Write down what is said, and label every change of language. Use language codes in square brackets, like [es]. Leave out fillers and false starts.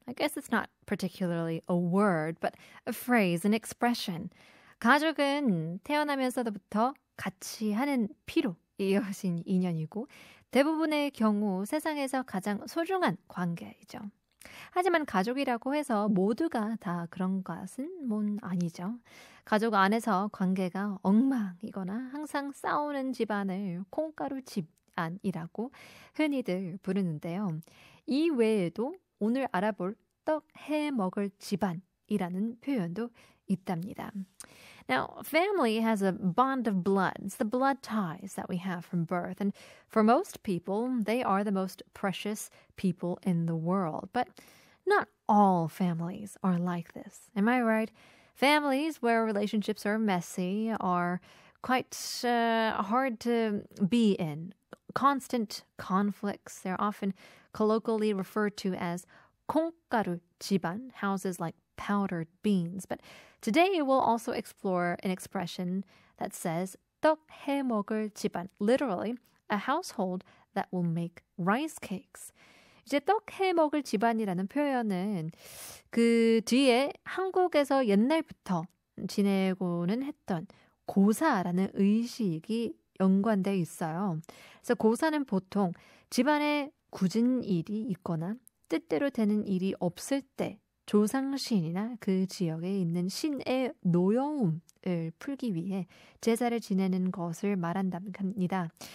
[en] I guess it's not particularly a word, but a phrase, an expression. [ko] 가족은 태어나면서부터 같이 하는 피로 이어진 인연이고 대부분의 경우 세상에서 가장 소중한 관계이죠. 하지만 가족이라고 해서 모두가 다 그런 것은 뭔 아니죠. 가족 안에서 관계가 엉망이거나 항상 싸우는 집안을 콩가루 집안이라고 흔히들 부르는데요. 이 외에도 오늘 알아볼 떡 해 먹을 집안이라는 표현도 있답니다. [en] Now, family has a bond of blood. It's the blood ties that we have from birth. And for most people, they are the most precious people in the world. But not all families are like this. Am I right? Families where relationships are messy are quite hard to be in. Constant conflicts. They're often colloquially referred to as [ko] 콩가루 집안, [en] houses like powdered beans. But today we'll also explore an expression that says [ko] 떡 해 먹을 집안, [en] literally a household that will make rice cakes. [ko] 이제 떡 해 먹을 집안이라는 표현은 그 뒤에 한국에서 옛날부터 지내고는 했던 고사라는 의식이 연관돼 있어요. 그래서 고사는 보통 집안에 굳은 일이 있거나 뜻대로 되는 일이 없을 때 조상신이나 그 지역에 있는 신의 노여움을 풀기 위해 제사를 지내는 것을 말한답니다.